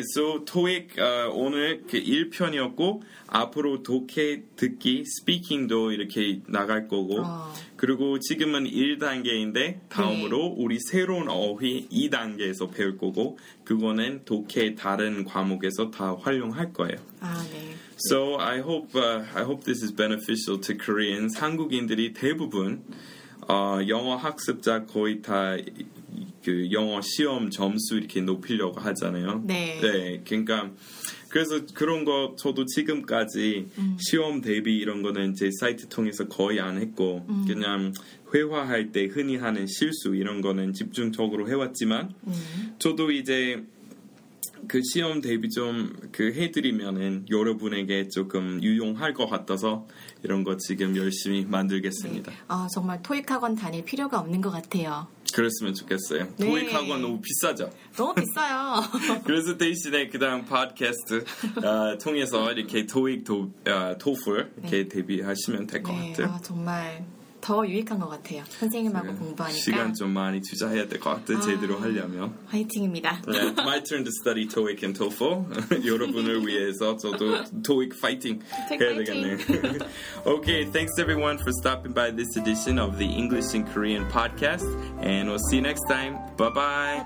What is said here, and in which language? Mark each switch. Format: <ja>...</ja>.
<ko>So TOEIC 오늘 그 1편이었고 앞으로 독해 듣기 스피킹도 이렇게 나갈 거고 그리고 지금은 1단계인데 다음으로 우리 새로운 어휘 2단계에서 배울 거고 그거는 독해 다른 과목에서 다 활용할 거예요. 아, 네.</ko> <en>So I hope this is beneficial to Koreans.</en> <ko>한국인들이 대부분 영어 학습자 거의 다 그 영어 시험 점수 이렇게 높이려고 하잖아요. 네. 네. 그러니까 그래서 그런 거 저도 지금까지 시험 대비 이런 거는 제 사이트 통해서 거의 안 했고 그냥 회화할 때 흔히 하는 실수 이런 거는 집중적으로 해왔지만 저도 이제 그 시험 대비 좀 그 해드리면은 여러분에게 조금 유용할 것 같아서 이런 거 지금 열심히 만들겠습니다. 네. 정말 토익 학원 다닐 필요가 없는 것 같아요. 그랬으면 좋겠어요. 네. 토익 학원 너무 비싸죠? 너무 비싸요. 그래서 대신에 그 다음 팟캐스트 통해서 이렇게 토익, 토플 이렇게 네. 대비하시면 될 것 네. 같아요. 정말 더 유익한 것 같아요. 선생님하고 네. 공부하니까. 시간 좀 많이 투자해야 될 것 같아요. 제대로 하려면. 화이팅입니다.</ko> <en>Yeah, my turn to study TOEIC and TOEFL.</en> <ko>여러분을 위해서 저도 TOEIC 파이팅 해야 되겠네요.</ko> <en>Okay, thanks everyone for stopping by this edition of the English and Korean podcast. And we'll see you next time. Bye-bye.</en>